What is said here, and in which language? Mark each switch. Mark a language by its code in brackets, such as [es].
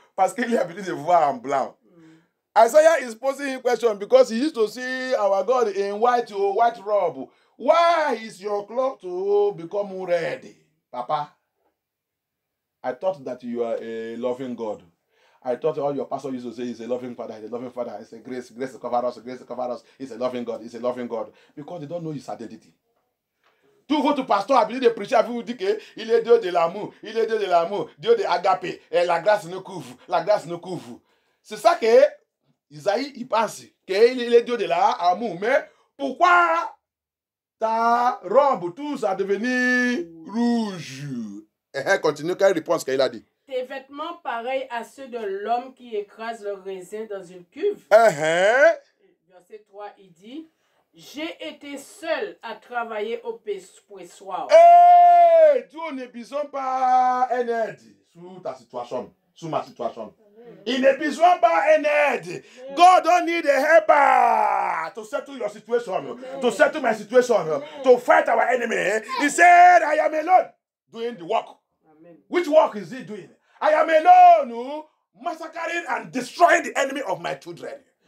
[fr] Parce qu'il est habitué de voir en blanc. [en] Isaiah is posing a question because he used to see our God in white robe. Why is your cloth to become red? Papa, I thought that you are a loving God. I thought all your pastor used to say is a loving father, a loving father. It's a grace, grace cover us, grace cover us. It's a loving God, it's a loving God. Because they don't know his identity. [fr] Tout votre pasteur a besoin de prêcher, vous dit que il est Dieu de l'amour, il est Dieu de l'amour, Dieu de agapé, et la grâce nous couvre, la grâce nous couvre. C'est ça que Isaïe, il pense qu'il est Dieu de l'amour. Mais pourquoi ta robe, tout ça, devenu rouge? Et continue, quelle réponse qu'il a dit? Tes vêtements pareils à ceux de l'homme qui écrase le raisin dans une cuve. Verset 3, il dit, j'ai été seul à travailler au pressoir. Tu n'as besoin pas un aide sous ta situation, sous ma situation. Il n'a besoin pas d'un aide. [en] God don't need a helper to settle your situation, to settle my situation, to fight our enemy. He said, I am alone doing the work. Amen. Which work is he doing? I am alone massacring and destroying the enemy of my children.